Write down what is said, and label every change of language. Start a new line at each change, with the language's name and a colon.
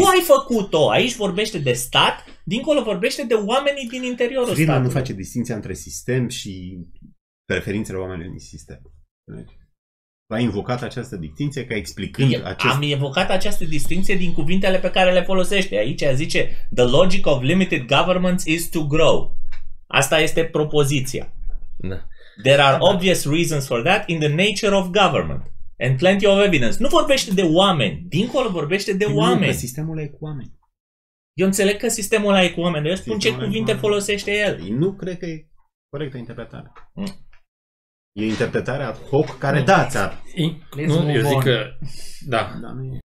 Romanian: Tu ai făcut-o, aici vorbește de stat, dincolo vorbește de oamenii din interiorul statului. Frida nu face distinția între sistem și preferințele oamenilor din sistem. V-a invocat această distinție ca explicând Am evocat această distinție din cuvintele pe care le folosește. Aici zice,
English: the logic of limited governments is to grow.
Romanian: Asta este propoziția. Da.
English: There are obvious reasons for that in the nature of government and plenty of evidence.
Romanian: Nu vorbește de oameni, dincolo vorbește de oameni. Că sistemul e cu oameni. Eu înțeleg că sistemul ăla e cu oameni, dar eu spun ce cuvinte folosește el. Nu cred că e corectă interpretarea. E interpretarea ad hoc care da, ți-ar. Nu, eu zic că da. Da, nu e.